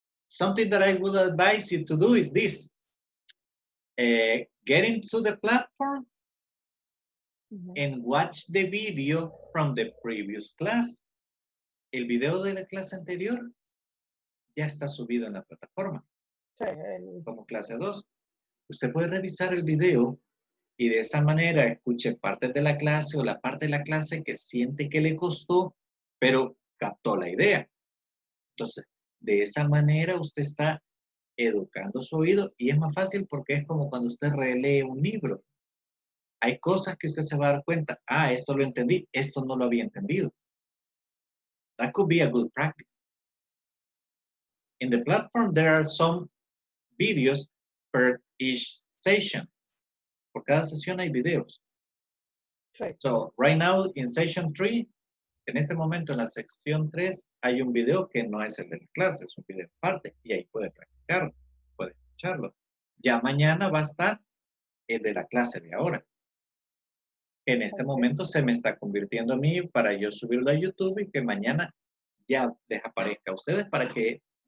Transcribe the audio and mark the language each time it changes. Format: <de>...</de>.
<en>Something that I would advise you to do is this. Get into the platform and watch the video from the previous class.</en> <es>El video de la clase anterior ya está subido en la plataforma. Como clase 2. Usted puede revisar el video y de esa manera escuche parte de la clase o la parte de la clase que siente que le costó, pero captó la idea. Entonces, de esa manera usted está educando su oído y es más fácil porque es como cuando usted relee un libro. Hay cosas que usted se va a dar cuenta. Ah, esto lo entendí. Esto no lo había entendido.</es> <en>That could be a good practice. In the platform, there are some videos per each session.</en> <es>Por cada sesión hay videos.</es> <en>Right. So, right now, in session 3,</en> <es>en este momento, en la sección 3, hay un video que no es el de la clase, es un video aparte, y ahí puede practicarlo, puede escucharlo. Ya mañana va a estar el de la clase de ahora. En este momento se me está convirtiendo a mí para yo subirlo a YouTube y que mañana ya les aparezca a ustedes para que...</es>